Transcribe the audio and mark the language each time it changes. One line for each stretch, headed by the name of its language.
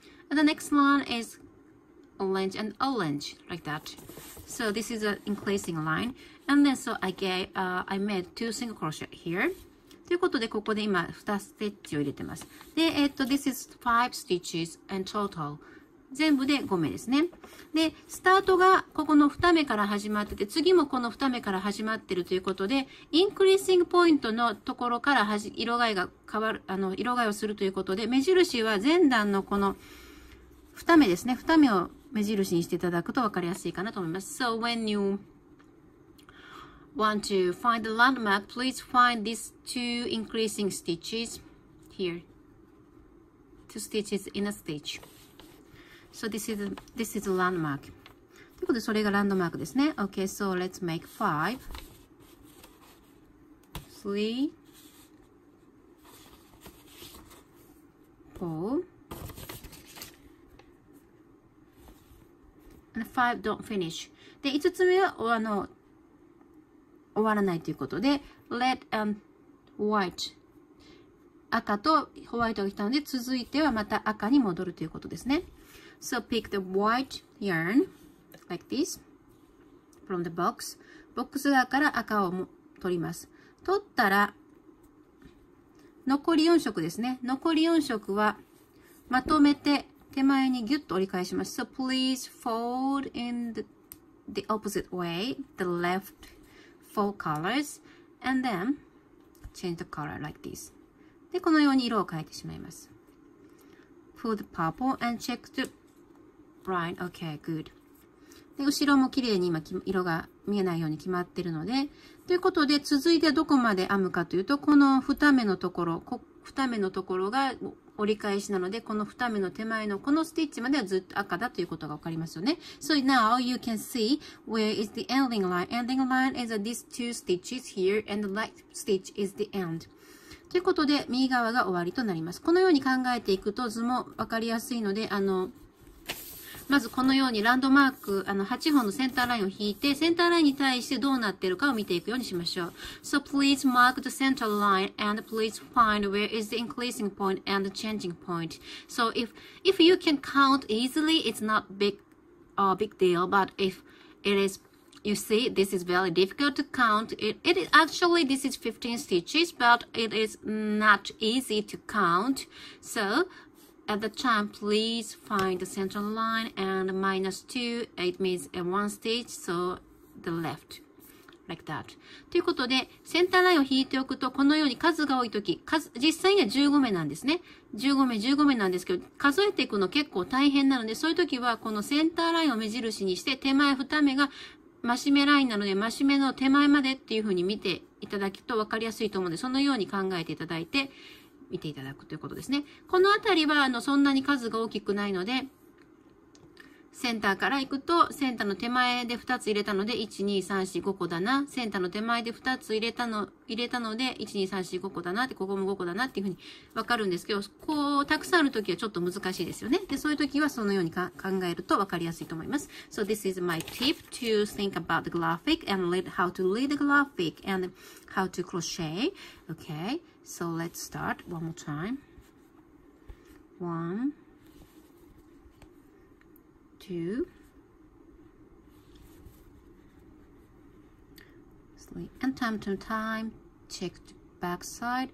English: And the next line is orange and orange, like that. So this is an increasing line. And then so I made two single crochet here.
Japanese: ということで、ここで今2ステッチを入れてます。
English: で、this is five stitches and total.
Japanese: 全部で5目ですね。で、スタートがここの2目から始まってて、次もこの2目から始まってるということで、increasing point のところから色替えが変わる、色替えをするということで、目印は前段のこの2目ですね。 2目を目印にしていただくと分かりやすいかなと思います。
English: So when you want to find the landmark, please find these two increasing stitches here. Two stitches in a stitch. So this is a landmark.
Japanese: ということで、それがランドマークですね。
English: Okay, so let's make 5. 3. 4. And five don't finish.
Japanese: で、5つ目は終わらないということで、
English: red and white.
Japanese: 赤とホワイトが来たので、続いてはまた赤に戻るということですね。
English: So pick the white yarn like this from the box.
Japanese: ボックス側から赤を取ります。取ったら、残り4色ですね。残り4色はまとめて手前にギュッと折り返します。
English: So please fold in the opposite way, the left four colors, and then change the color like this.
Japanese: で、このように色を変えてしまいます。
English: Pull the purple and check the right. Okay, good.
Japanese: で、後ろも綺麗に今色が見えないように決まっているので、ということで続いてどこまで編むかというと、この二目のところ、二目のところが折り返しなので、この二目の手前のこのステッチまではずっと赤だということがわかりますよね。
English: So now you can see where is the ending line. Ending line is these two stitches here and the light stitch is the end.
Japanese: ということで、右側が終わりとなります。このように考えていくと図もわかりやすいので、まずこのようにランドマーク、8本のセンターラインを引いて、センターラインに対してどうなっているかを見ていくようにしましょう。
English: So please mark the center line and please find where is the increasing point and the changing point. So if you can count easily, it's not big deal, but if it is, you see, this is very difficult to count. It is actually, this is 15 stitches, but it is not easy to count. So,At the time, please find the central line and minus 2, it means one stitch, so the left, like that.
Japanese: ということで、センターラインを引いておくと、このように数が多いとき、実際には15目なんですね。 15目、15目なんですけど、数えていくの結構大変なので、そういうときは、このセンターラインを目印にして、手前2目が増し目ラインなので、増し目の手前までっていうふうに見ていただくと分かりやすいと思うので、そのように考えていただいて、見ていただくということですね。このあたりはそんなに数が大きくないので、センターから行くと、センターの手前で2つ入れたので、1、2、3、4、5個だな。センターの手前で2つ入れたので、1、2、3、4、5個だなって、ここも5個だなっていうふうにわかるんですけど、こう、たくさんあるときはちょっと難しいですよね。で、そういうときはそのように考えるとわかりやすいと思います。
English: So this is my tip to think about the graphic and how to read the graphic and how to crochet. Okay. So let's start one more time. One, two, three, and time to time, check the back side.